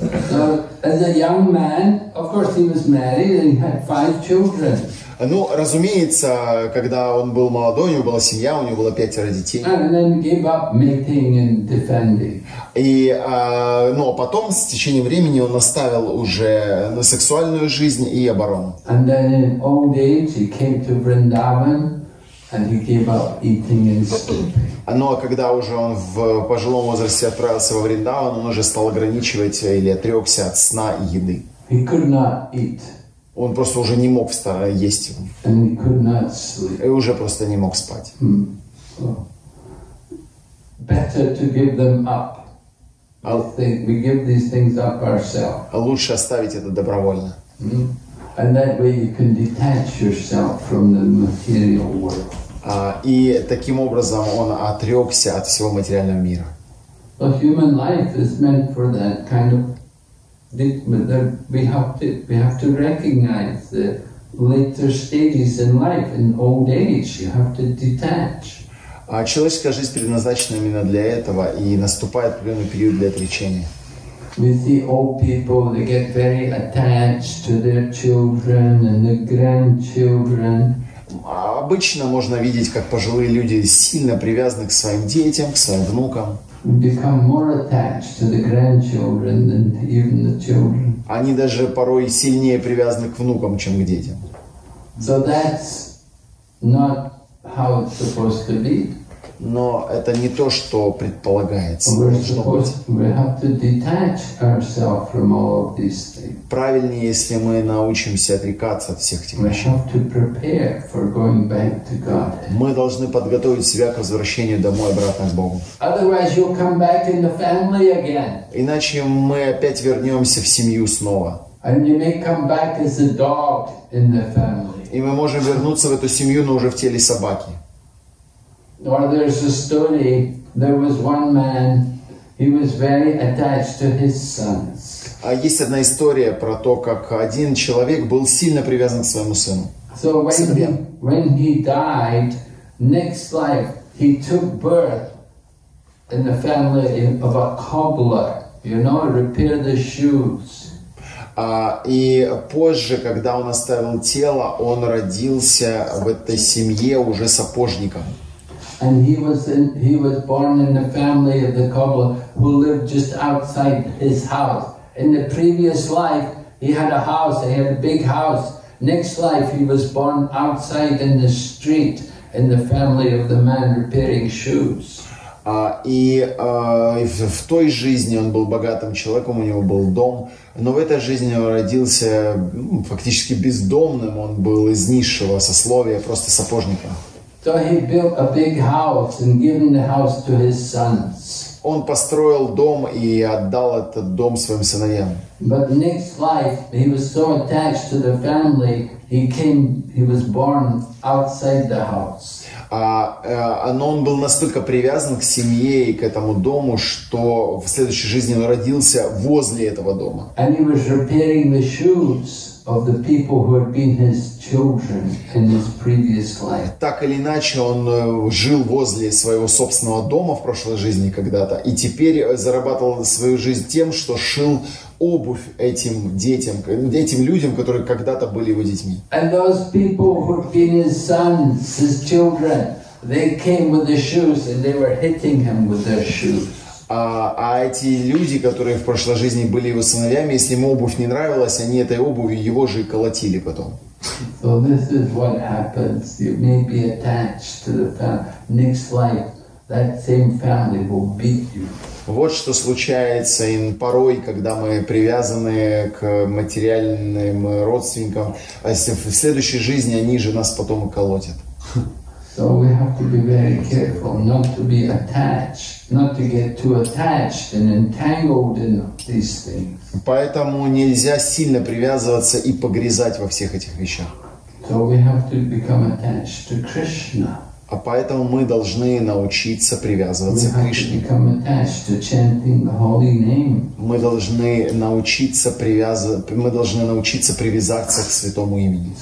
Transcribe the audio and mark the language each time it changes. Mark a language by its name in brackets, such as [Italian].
[English] So, as a young man, of course, he was married and he had 5 children. [Russian] Ну, разумеется, когда он был молодой, у него была семья, у него было 5 детей. [English] And then gave up mating and defending. [Russian] А потом, с течением времени, он оставил уже на сексуальную жизнь и оборону. [English] And then in old age he came to Vrindavan and he gave up eating and sleeping. [Russian] Ну, а когда уже он в пожилом возрасте отправился во Вриндаван, он уже стал ограничивать или отрекся от сна и еды. [English] He could not eat. [Russian] Он просто уже не мог есть. [English] And he could not sleep. [Russian] И уже просто не мог спать. [English] Hmm. So, better to give them up. We give these things up ourselves. [Russian] А лучше оставить это добровольно. Hmm. [English] And that way you can detach yourself from the material world. [Russian] И таким образом он отрекся от всего материального мира. [English] So human life is meant for that kind of. We have to recognize the later stages in life. In old age, you have to detach. [Russian] А человеческая жизнь предназначена именно для этого, и наступает определенный период для отречения. [English] We see old people; they get very attached to their children and their grandchildren. [Russian] обычно можно видеть, как пожилые люди сильно привязаны к своим детям, к своим внукам. [English] Become more attached to the grandchildren than even the children. [Russian] Они даже порой сильнее привязаны к внукам, чем к детям. [English] So that's not how it's supposed to be. [Russian] Но это не то, что предполагается. [English] We have to detach ourselves from all of these things. [Russian] Правильнее, если мы научимся отрекаться от всех этих вещей. [English] We have to prepare for going back to God. [Russian] Мы должны подготовить себя к возвращению домой обратно к Богу. [English] Otherwise you'll come back in the family again. [Russian] Иначе мы опять вернемся в семью снова. [English] And you may come back as a dog in the family. [Russian] И мы можем вернуться в эту семью, но уже в теле собаки. [English] Or there's a story. There was one man. He was very attached to his sons. [Russian] А есть одна история про то, как один человек был сильно привязан к своему сыну. [English] So when he died, next life he took birth in the family of a cobbler. You know, repair the shoes. [Russian] И позже, когда он оставил тело, он родился в этой семье уже сапожником. [English] And he was born in the family of the cobbler who lived just outside his house. In the previous life, he had a house. He had a big house. Next life, he was born outside in the street in the family of the man repairing shoes. [Russian] И в той жизни он был богатым человеком, у него был дом. Но в этой жизни он родился фактически бездомным. Он был из низшего сословия, просто сапожником. [English] So he built a big house and given the house to his sons. [Russian] Он построил дом и отдал этот дом своим сыновьям. [English] But next life he was so attached to the family he was born outside the house. [Russian] Но он был настолько привязан к семье и к этому дому, что в следующей жизни он родился возле этого дома. [English] And he was repairing the shoes of the people who had been his children in his previous life. [Russian] Так или иначе, он жил возле своего собственного дома в прошлой жизни когда-то, и теперь зарабатывал свою жизнь тем, что шил обувь этим детям, этим людям, которые когда-то были его детьми. [English] And those people who had been his sons, his children, they came with the shoes and they were hitting him with their shoes. [Russian] А эти люди, которые в прошлой жизни были его сыновьями, если ему обувь не нравилась, они этой обувью его же и колотили потом. [English] So this is what happens. You may be attached to the family. Next life, that same family will beat you. [Russian] Вот что случается порой, когда мы привязаны к материальным родственникам. А если в следующей жизни они же нас потом и колотят. [English] So we have to be very careful not to be attached, not to get too attached and entangled in these things. [Russian] Поэтому нельзя сильно привязываться и погрязать во всех этих вещах. [English] So we have to become attached to Krishna. [Russian] А поэтому мы должны научиться привязываться к Кришне. [English] Become attached to chanting the holy name. [Russian] Мы должны научиться привязаться к святому имени.